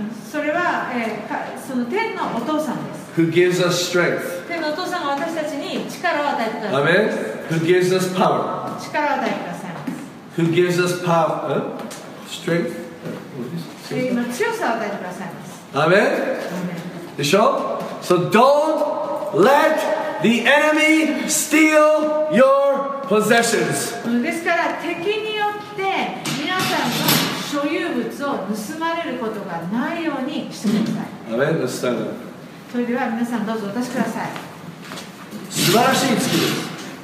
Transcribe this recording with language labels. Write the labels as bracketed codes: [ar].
[ja] それは、その天のお父さんです。 [en] Who gives us strength. [ja] 天のお父さんが私たちに力を与えてくださいます。 [en] Amen. Who gives us power. [ja] 力を与えてくださいます。 [en] Who gives us power. Strength. [ja] 強さを与えてくださいます。アメン。でしょ。 [en] So don't let the enemy steal your possessions. [ja] ですから敵によって皆さんの所有物を盗まれることがないようにしてください。アメン。スタート。それでは皆さんどうぞお出しください。素晴らしい月です。